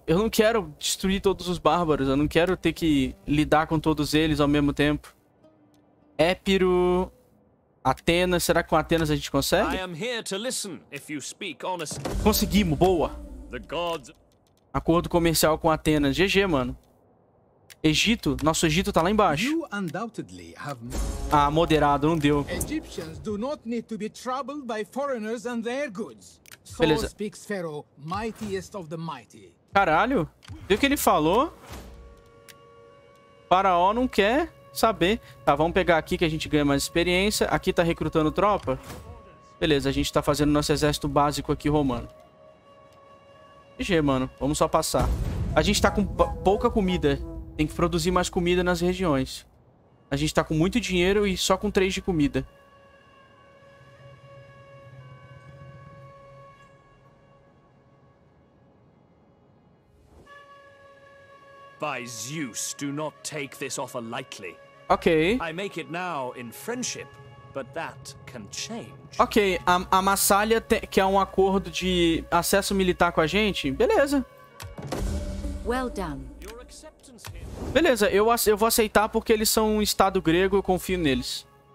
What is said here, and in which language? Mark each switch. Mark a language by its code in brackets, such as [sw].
[pt] Eu não quero destruir todos os bárbaros. Eu não quero ter que lidar com todos eles ao mesmo tempo. Épiro... Atenas, será que com Atenas a gente consegue? [en] I am here to listen, if you speak honestly. [pt] Conseguimos, boa. [en] The gods... [pt] Acordo comercial com Atenas, GG, mano. Egito, nosso Egito tá lá embaixo. [en] You undoubtedly have... [pt] Ah, moderado, não deu. [en] Egyptians do not need to be troubled by foreigners and their goods. [pt] Beleza. [en] So speaks Pharaoh, mightiest of the mighty. [pt] Caralho, viu o que ele falou? Faraó não quer... saber. Tá, vamos pegar aqui que a gente ganha mais experiência. Aqui tá recrutando tropa. Beleza, a gente tá fazendo nosso exército básico aqui romano. GG, mano. Vamos só passar. A gente tá com pouca comida. Tem que produzir mais comida nas regiões. A gente tá com muito dinheiro e só com 3 de comida. [en] By Zeus, do not take this offer lightly. Ok. I make it now in friendship, but that can change. [pt] Ok, a Massalia quer um acordo de acesso militar com a gente? Beleza. [en] Well done. Your acceptance here... [pt] Beleza, eu vou aceitar porque eles são um estado grego, eu confio neles.